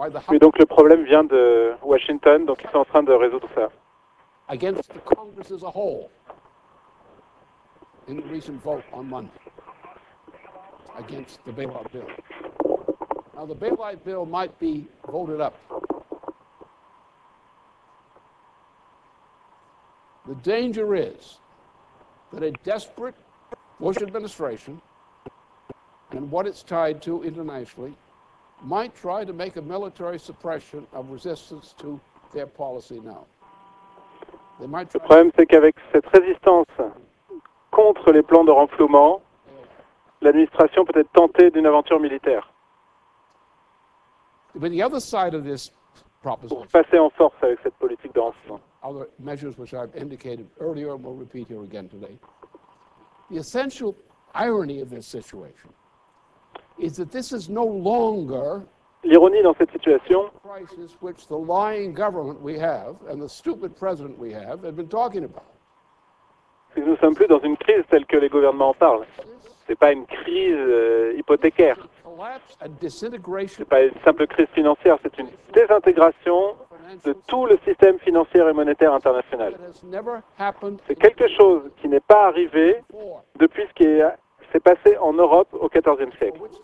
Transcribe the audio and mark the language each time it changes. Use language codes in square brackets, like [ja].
[fr] Mais donc le problème vient de Washington, donc ils sont en train de résoudre ça. [en] Against the Congress as a whole, in the recent vote on Monday, against the bailout bill. Now the bailout bill might be voted up. The danger is that a desperate Bush administration and what it's tied to internationally might try to make a military suppression of resistance to their policy now. They might try. [fr] Le problème, c'est qu'avec cette résistance contre les plans de renflouement, l'administration peut être tentée d'une aventure militaire. [en] But the other side of this proposition, [fr] pour passer en force avec cette politique de renflouement, [en] other measures which I've indicated earlier and will repeat here again today, the essential irony of this situation is that this is no longer [fr] l'ironie dans cette situation, [en] the crisis which the lying government we have and the stupid president we have been talking about. [fr] C'est que nous ne sommes plus dans une crise telle que les gouvernements en parlent. Ce n'est pas une crise hypothécaire. Ce n'est pas une simple crise financière, c'est une désintégration de tout le système financier et monétaire international. C'est quelque chose qui n'est pas arrivé depuis ce qui s'est passé en Europe au XIVe siècle.